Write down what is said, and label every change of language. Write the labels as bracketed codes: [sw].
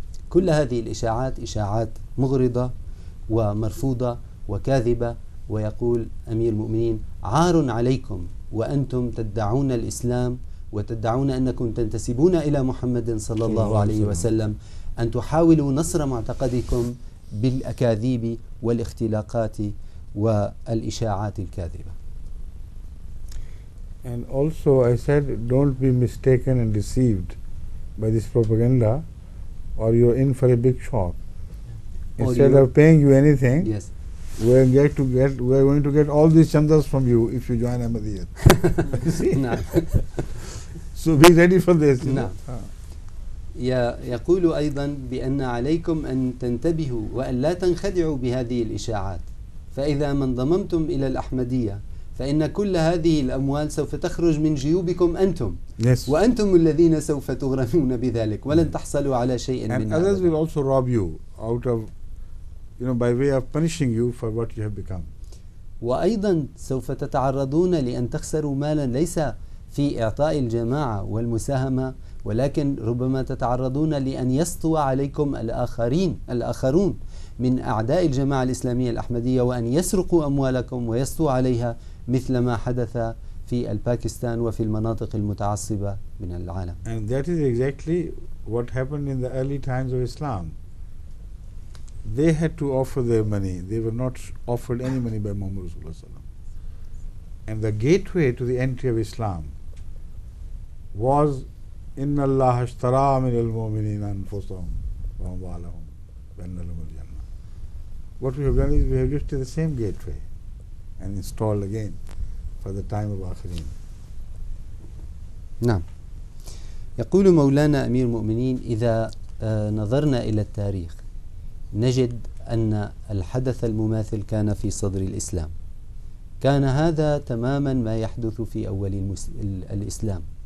[ar] كل هذه الإشاعات إشاعات مغرضة ومرفوضة وكاذبة ويقول أمير المؤمنين عار عليكم وأنتم تدعون الإسلام وتدعون أنكم تنتسبون إلى محمد صلى الله عليه وسلم أن تحاولوا نصر معتقدكم بالأكاذيب والاختلاقات والإشاعات الكاذبة. [en] And also I said don't be mistaken and deceived by this propaganda or you're in for a big shock. Instead of paying you anything, yes. we're going to get all these chandas from you if you join Ahmadiyya. You see? No. So be ready for this. No. [ar] يقول أيضا بأن عليكم أن تنتبهوا وأن لا تنخدعوا بهذه الإشاعات فإذا ما انضممتم إلى الأحمدية فإن كل هذه الأموال سوف تخرج من جيوبكم أنتم [en] yes. [ar] وأنتم الذين سوف تغرمون بذلك ولن تحصلوا على شيء [en] and [ar] من [en] others will also rob you out of you know by way of punishing you for what you have become [ar] وأيضا سوف تتعرضون لأن تخسروا مالا ليس في إعطاء الجماعة والمساهمة ولكن ربما تتعرضون لأن يسطو عليكم الآخرون من أعداء الجماعة الإسلامية الأحمدية وأن يسرقوا أموالكم ويسطو عليها مثل ما حدث في الباكستان وفي المناطق المتعصبة من العالم. [en] And that is exactly what happened in the early times of Islam. They had to offer their money. They were not offered any money by Muhammad Rasulullah Sallallahu Alaihi Wasallam. And the gateway to the entry of Islam was [ar] إِنَّ اللَّهَ اشْتَرَى مِنَ الْمُؤْمِنِينَ أَنفُسَهُمْ وَأَمْوَالَهُمْ بِأَنَّ لَهُمُ الْجَنَّةَ [en] What we have done is we have lifted the same gateway and installed again for the time of آخرين. [ar] نعم. يقول مولانا أمير المؤمنين إذا نظرنا إلى التاريخ نجد أن الحدث المماثل كان في صدر الإسلام. كان هذا تماما ما يحدث في أول الإسلام.